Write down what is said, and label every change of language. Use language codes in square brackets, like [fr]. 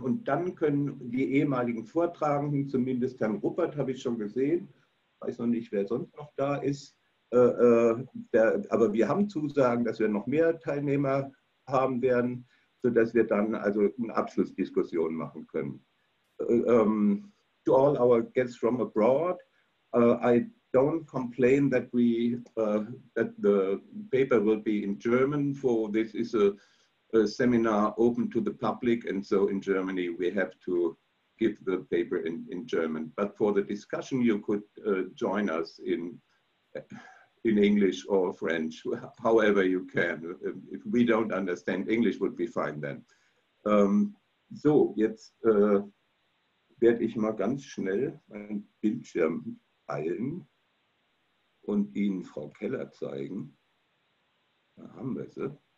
[de] Und dann können die ehemaligen Vortragenden, zumindest Herrn Ruppert habe ich schon gesehen, weiß noch nicht, wer sonst noch da ist. Aber wir haben Zusagen, dass wir noch mehr Teilnehmer haben werden, sodass wir dann also eine Abschlussdiskussion machen können. [en] To all our guests from abroad, I don't complain that the paper will be in German, for this is a seminar open to the public, and so in Germany we have to give the paper in German. But for the discussion, you could join us in English or French, however you can. If we don't understand English, would be fine then. [de] So, jetzt werde ich mal ganz schnell meinen Bildschirm teilen und Ihnen Frau Keller zeigen. Da haben wir sie.